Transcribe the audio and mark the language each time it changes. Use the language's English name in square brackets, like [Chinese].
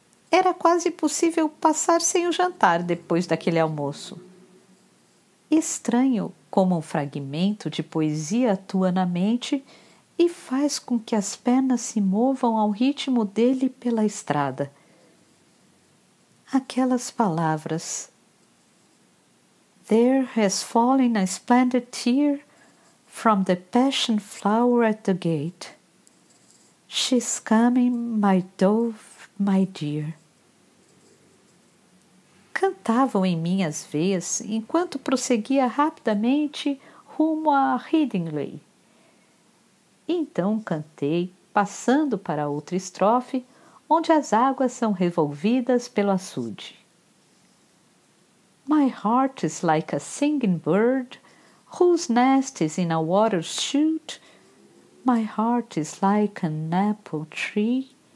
[Portuguese] Era quase possível passar sem o jantar depois daquele almoço. Estranho como um fragmento de poesia atua na mente e faz com que as pernas se movam ao ritmo dele pela estrada. Aquelas palavras: [English] "There has fallen a splendid tear from the passion flower at the gate. She's coming, my dove, my dear." [Portuguese] Cantavam em minhas veias enquanto prosseguia rapidamente rumo a Headingley. Então cantei, passando para outra estrofe, onde as águas são revolvidas pelo açude. [English] "My heart is like a singing bird whose nest is in a water shoot. My heart is like an apple tree."